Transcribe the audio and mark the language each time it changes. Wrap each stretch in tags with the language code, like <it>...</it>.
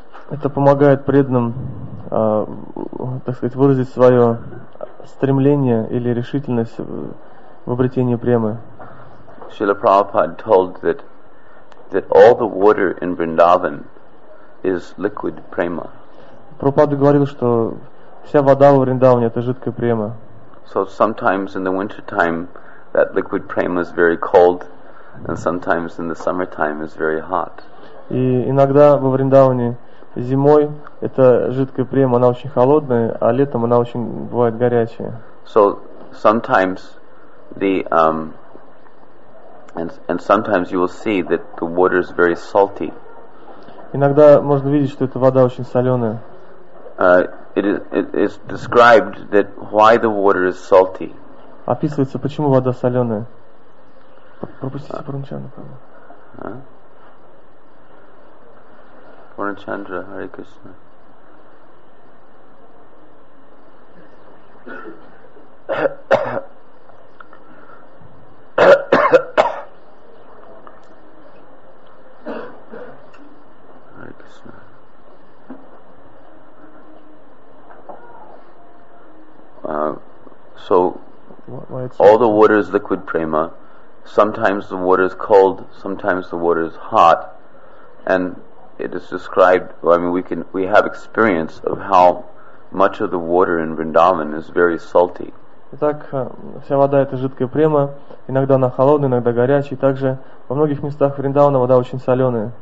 <ru>Это помогает преданным, так сказать, выразить свое стремление или решительность в обретении премы.</ru> <en>Srila Prabhupada told that all the water in Vrindavan is liquid prema.</en> <ru>Prabhupada говорил, что вся вода в Вриндаване это жидкая према.</ru> <en>So sometimes in the winter time that liquid prema is very cold, and sometimes in the summer time is very hot.</en> <ru>И иногда во Вриндаване зимой эта жидкая према она очень холодная, а летом она очень бывает горячая.</ru> <en>So sometimes the And sometimes you will see that the water is very salty.</en> <ru>Иногда можно видеть, что эта вода очень соленая.</ru> <en>It is described that why the water is salty.</en> <ru>Описывается, почему вода соленая. Пропустите Пурнчандру. Пурнчандра, Hare Krishna.</ru> <en>All the water is liquid prema. Sometimes the water is cold, sometimes the water is hot, and it is described, we have experience of how much of the water in Vrindavan is very salty.</en> <ru>Итак, вся вода — это жидкая према. Иногда она холодная, иногда горячая. Также во многих местах Вриндавана вода очень соленая.</ru>